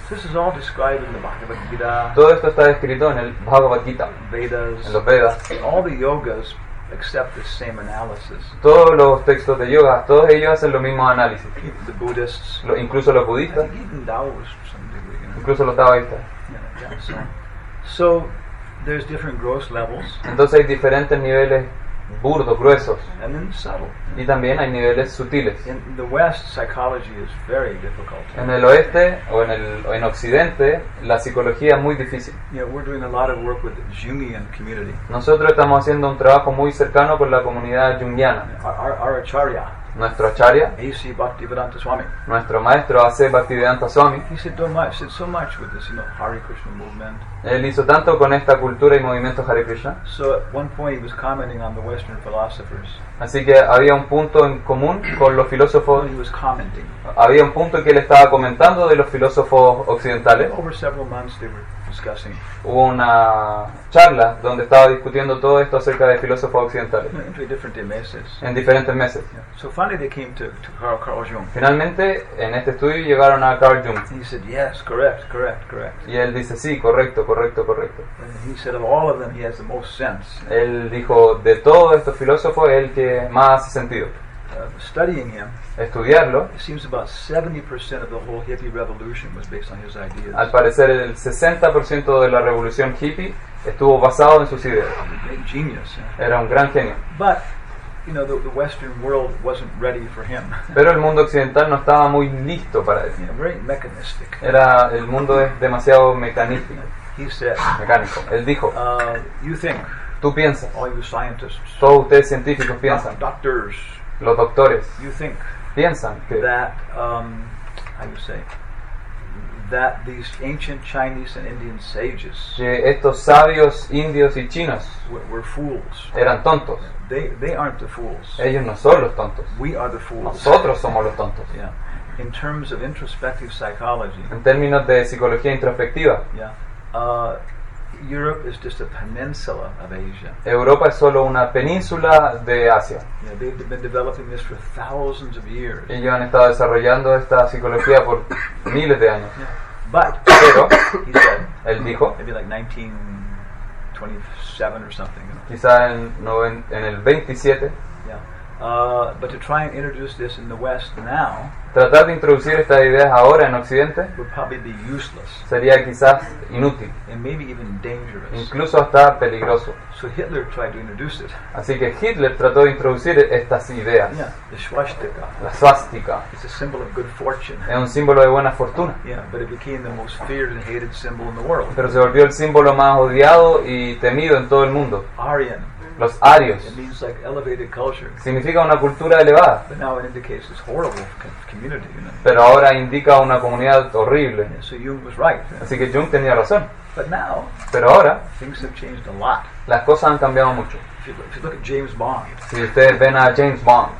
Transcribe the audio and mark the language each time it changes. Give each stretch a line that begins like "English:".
English: This is all described in the Bhagavad Gita.
Spanish: Todo esto está descrito en el Bhagavad Gita.
English: Vedas.
Spanish: En los Vedas.
English: All the yogas accept the same analysis.
Spanish: Todos los textos de yoga, todos ellos hacen lo mismo análisis.
English: The Buddhists,
Spanish: incluso los budistas.
English: Even Taoists,
Spanish: incluso los taoístas.
English: So there's different gross levels.
Spanish: Entonces hay diferentes niveles burdos, gruesos.
English: And then subtle.
Spanish: Y también hay niveles sutiles.
English: In the West, psychology is very difficult.
Spanish: En el oeste o en occidente, la psicología es muy difícil.
English: Yeah, we're doing a lot of work with the Jungian community.
Spanish: Nosotros estamos haciendo un trabajo muy cercano con la comunidad junguiana.
English: Our acharya.
Spanish: Nuestro acharya.
English: A.C. Bhaktivedanta Swami.
Spanish: Nuestro maestro A.C. Bhaktivedanta Swami.
English: He said so much with this, you know, Hare Krishna movement.
Spanish: Él hizo tanto con esta cultura y movimiento Hare Krishna.
English: So at one point he was commenting on the Western philosophers.
Spanish: Así que había un punto en común con los filósofos.
English: He was commenting.
Spanish: Había un punto que él estaba comentando de los filósofos occidentales.
English: Over several months they were discussing.
Spanish: Hubo una charla donde estaba discutiendo todo esto acerca de filósofos occidentales. En diferentes meses.
English: Yeah. So finally they came to Carl Jung.
Spanish: Finalmente en este estudio llegaron a Carl Jung.
English: He said yes, correct.
Spanish: Y él dice sí, correcto.
English: And he said of all of them he has the most sense.
Spanish: Él dijo de todos estos filósofos el que más hace sentido.
English: Studying him,
Spanish: estudiarlo,
English: it seems about 70% of the whole hippie revolution was based on his ideas.
Spanish: Al parecer, el 60% de la revolución hippie estuvo basado en sus ideas.
English: Genius.
Spanish: Era un gran genio.
English: But, you know, the Western world wasn't ready for him.
Spanish: Pero el mundo occidental no estaba muy listo para él.
English: Yeah, very mechanistic.
Spanish: Era, el mundo es demasiado mecanístico.
English: He said,
Spanish: mecánico. Él dijo,
English: you think,
Spanish: tú piensas,
English: all you scientists,
Spanish: todos ustedes científicos piensan,
English: doctors.
Spanish: Los doctores
English: you think
Spanish: piensan que
English: that how you say that these ancient Chinese and Indian sages
Spanish: que estos sabios indios y chinos
English: were fools
Spanish: eran tontos.
English: They aren't the fools.
Spanish: Ellos no son los tontos.
English: We are the fools.
Spanish: Nosotros somos los tontos.
English: Yeah. In terms of introspective psychology.
Spanish: En términos de psicología introspectiva.
English: Yeah. Europe is just a peninsula of Asia.
Spanish: Europa es solo una península de Asia.
English: Yeah, they've been developing this for thousands of years.
Spanish: Ellos han estado desarrollando esta psicología por miles de años.
English: Yeah. But,
Spanish: pero,
English: he said,
Spanish: él dijo,
English: maybe like 1927 or something. You know.
Spanish: Quizá en el 27.
English: Yeah. But to try and introduce this in the West now,
Spanish: tratar de introducir estas ideas ahora en Occidente
English: would probably be useless,
Spanish: sería quizás inútil,
English: and maybe even dangerous.
Spanish: Incluso hasta peligroso.
English: So Hitler tried to introduce it.
Spanish: Así que Hitler trató de introducir estas ideas.
English: Yeah, the swastika.
Spanish: La swastika.
English: It's a symbol of good fortune.
Spanish: Es un símbolo de buena fortuna.
English: Yeah, but it became the most feared and hated symbol in the world.
Spanish: Pero se volvió el símbolo más odiado y temido en todo el mundo.
English: Aryan.
Spanish: Los arios.
English: It means like elevated culture.
Spanish: Significa una cultura elevada.
English: But now it indicates this horrible community, you know?
Spanish: Pero ahora indica una comunidad horrible.
English: Yeah, so Jung was right, you know?
Spanish: Así que Jung tenía razón.
English: But now,
Spanish: pero ahora
English: things have changed a lot.
Spanish: Las cosas han cambiado mucho.
English: If you look at James Bond,
Spanish: si ustedes ven a James Bond,